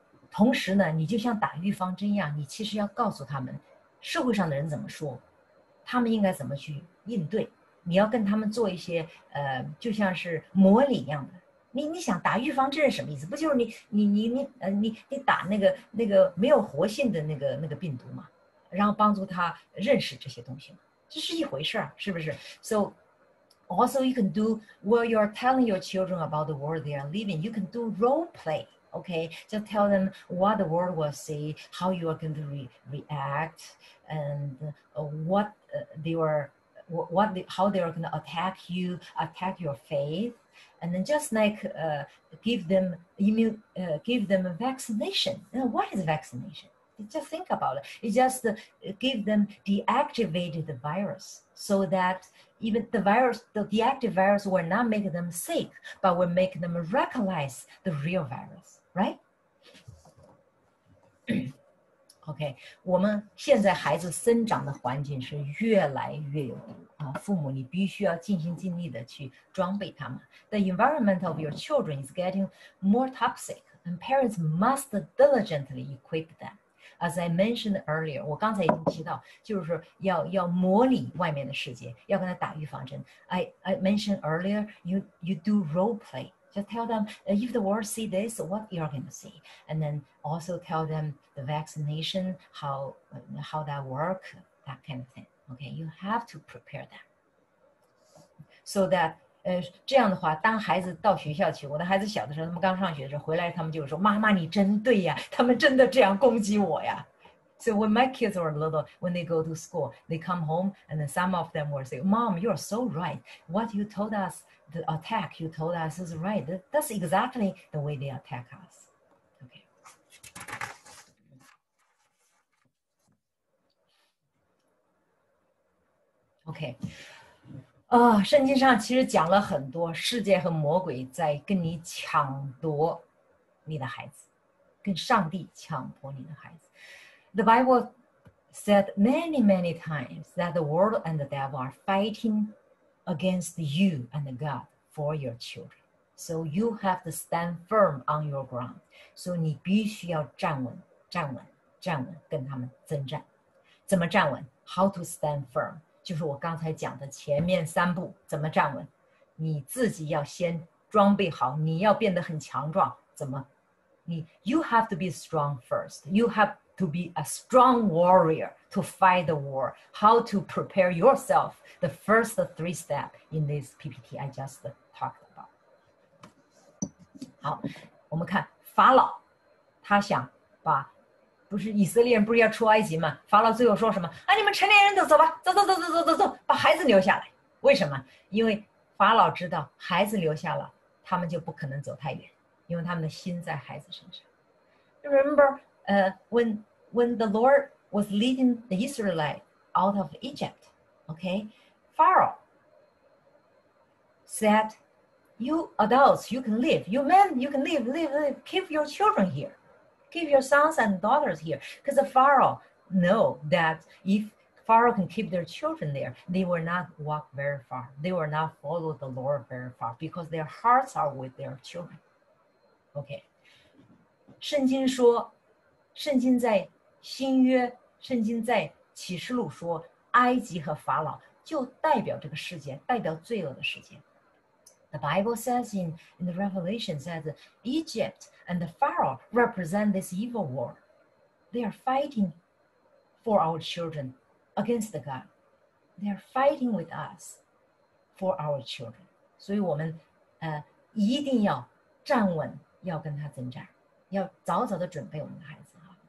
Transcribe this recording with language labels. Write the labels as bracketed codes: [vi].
[zh] 同时呢，你就像打预防针一样，你其实要告诉他们社会上的人怎么说，他们应该怎么去应对。你要跟他们做一些就像是模拟一样的。你想打预防针是什么意思？不就是你打那个没有活性的那个病毒吗？然后帮助他认识这些东西吗？这是一回事儿，是不是 ？ [en] So also you can do while you are telling your children about the world they are living, you can do role play. Okay, just tell them what the world will see, how you are going to react, and how they are going to attack you, attack your faith, and then just like give them a vaccination. Now, what is vaccination? Just think about it. It just give them deactivated the virus so that even the deactivated virus will not make them sick, but will make them recognize the real virus, right? [zh] Okay, 我们现在孩子生长的环境是越来越有毒啊！父母，你必须要尽心尽力的去装备他们。 [en] The environment of your children is getting more toxic, and parents must diligently equip them. As I mentioned earlier, [zh] 我刚才已经提到，就是要模拟外面的世界，要跟他打预防针。 [en] I mentioned earlier, you do role play. Just tell them, if the world see this, what you're going to see. And then also tell them the vaccination, how that work, that kind of thing. Okay, you have to prepare them. So that, [zh] 这样的话，当孩子到学校去，我的孩子小的时候，他们刚上学的时候回来，他们就说：“妈妈，你真对呀，他们真的这样攻击我呀。” [en] So when my kids were little, when they go to school, they come home, and then some of them were say, "Mom, you are so right. What you told us, the attack you told us is right. That's exactly the way they attack us." Okay. Okay. [zh] 圣经上其实讲了很多世界和魔鬼在跟你抢夺你的孩子，跟上帝抢夺你的孩子。 [en] The Bible said many, many times that the world and the devil are fighting against you and God for your children. So you have to stand firm on your ground. So [zh] 你必须要站稳，站稳，站稳，跟他们征战。怎么站稳 ？ [en] How to stand firm? [zh] 就是我刚才讲的前面三步怎么站稳，你自己要先装备好，你要变得很强壮。怎么？你 [en] you have to be strong first. You have to be a strong warrior to fight the war. How to prepare yourself? The first three steps in this PPT I just talked about. [zh] 好，我们看法老，他想把。不是以色列人不是要出埃及吗？法老最后说什么？啊，你们成年人都走吧，走走走走走走走，把孩子留下来。为什么？因为法老知道孩子留下了，他们就不可能走太远，因为他们的心在孩子身上。 [en] Remember, when the Lord was leading the Israelites out of Egypt, okay, Pharaoh said, "You adults, you can leave. You men, you can leave, leave, leave. Keep your children here." Keep your sons and daughters here. Because the Pharaoh know that if Pharaoh can keep their children there, they will not walk very far. They will not follow the Lord very far because their hearts are with their children. Okay. [zh] 圣经说，圣经在新约，圣经在启示录说，埃及和法老就代表这个世界，代表罪恶的世界。 [en] The Bible says in the Revelation says Egypt and the Pharaoh represent this evil world. They are fighting for our children against the God. They are fighting with us for our children. [zh] 所以我们一定要站稳，要跟他征战，要早早的准备我们的孩子啊。